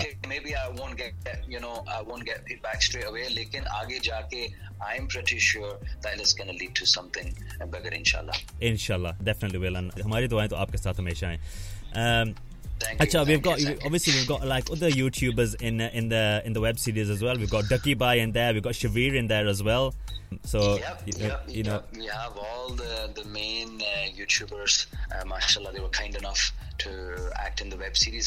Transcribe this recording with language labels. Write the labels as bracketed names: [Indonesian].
[English] Okay, maybe I won't get feedback straight away, [Urdu] lekin aage jaake, [English] I'm pretty sure that it's going to lead to something bigger, inshallah. [Urdu] انشاللہ, [English] definitely will. And [Urdu] ہماری دعائیں تو آپکے ساتھ ہمیشہ ہیں. [English] We've got like other YouTubers in the web series as well. We've got Ducky Bai in there. We've got Shavir in there as well. So we have all the main YouTubers. Mashallah, they were kind enough to act in the web series.